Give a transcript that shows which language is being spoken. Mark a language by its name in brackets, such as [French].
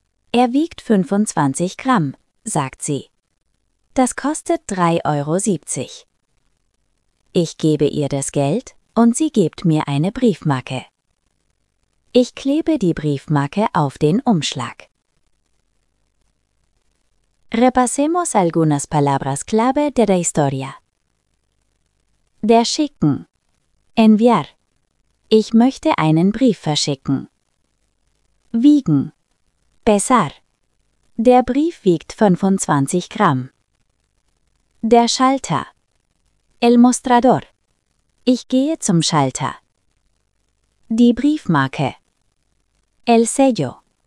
[German] Er wiegt 25 Gramm, sagt sie. Das kostet 3,70 Euro. Ich gebe ihr das Geld und sie gibt mir eine Briefmarke. Ich klebe die Briefmarke auf den Umschlag. [Spanish] Repasemos algunas palabras clave de la historia. [German] Der Schicken. Enviar. Ich möchte einen Brief verschicken. Wiegen. Pesar. Der Brief wiegt 25 Gramm. Der Schalter. El mostrador. Ich gehe zum Schalter. Die Briefmarke. El sello.